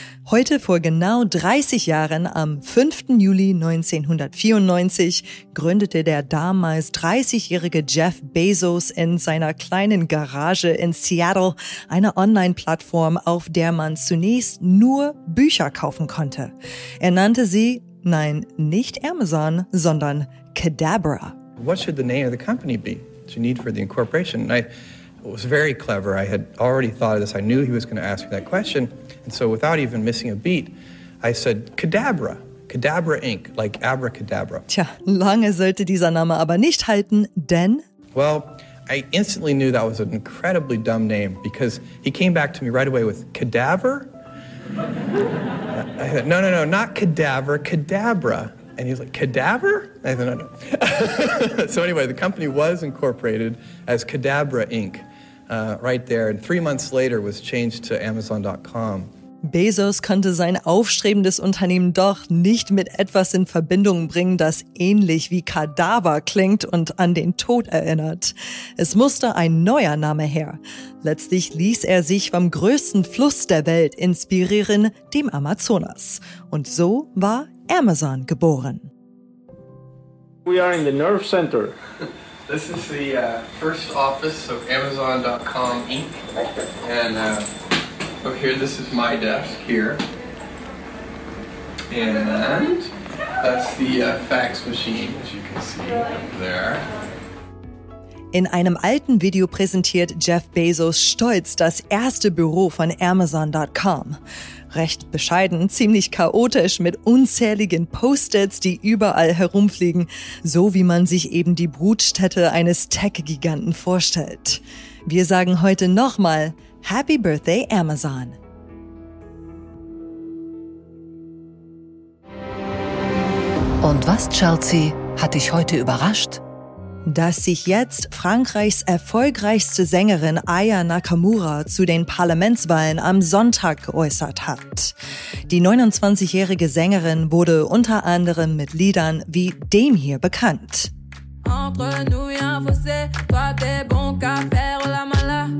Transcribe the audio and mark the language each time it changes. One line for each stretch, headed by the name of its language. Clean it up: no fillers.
German: Heute vor genau 30 Jahren, am 5. Juli 1994, gründete der damals 30-jährige Jeff Bezos in seiner kleinen Garage in Seattle eine Online-Plattform, auf der man zunächst nur Bücher kaufen konnte. Er nannte sie, nein, nicht Amazon, sondern Kadabra.
English: What should the name of the company be? What you need for the incorporation? It was very clever. I had already thought of this. I knew he was going to ask me that question. And so without even missing a beat, I said, Kadabra, Kadabra Inc., like abracadabra.
German: Tja, lange sollte dieser Name aber nicht halten, denn...
English: Well, I instantly knew that was an incredibly dumb name because he came back to me right away with cadaver. I said, no, not cadaver, Kadabra. And he's like, Kadabra? I said, no. So anyway, the company was incorporated as Kadabra Inc. Right there. And 3 months later was changed to Amazon.com.
German: Bezos konnte sein aufstrebendes Unternehmen doch nicht mit etwas in Verbindung bringen, das ähnlich wie Kadaver klingt und an den Tod erinnert. Es musste ein neuer Name her. Letztlich ließ er sich vom größten Fluss der Welt inspirieren, dem Amazonas. Und so war Amazon geboren.
English: We are in the nerve center. This is the first office of Amazon.com Inc. And look here, this is my desk here. And that's the fax machine, as you can see there.
German: In einem alten Video präsentiert Jeff Bezos stolz das erste Büro von Amazon.com. Recht bescheiden, ziemlich chaotisch mit unzähligen Post-its, die überall herumfliegen, so wie man sich eben die Brutstätte eines Tech-Giganten vorstellt. Wir sagen heute nochmal
English: Happy Birthday
German: Amazon! Und was, Chelsea, hat dich heute überrascht? Dass sich jetzt Frankreichs erfolgreichste Sängerin Aya Nakamura zu den Parlamentswahlen am Sonntag geäußert hat. Die 29-jährige Sängerin wurde unter anderem mit Liedern wie dem hier bekannt.
French: Entre nous y a un fossé, toi t'es bon qu'à faire la mala.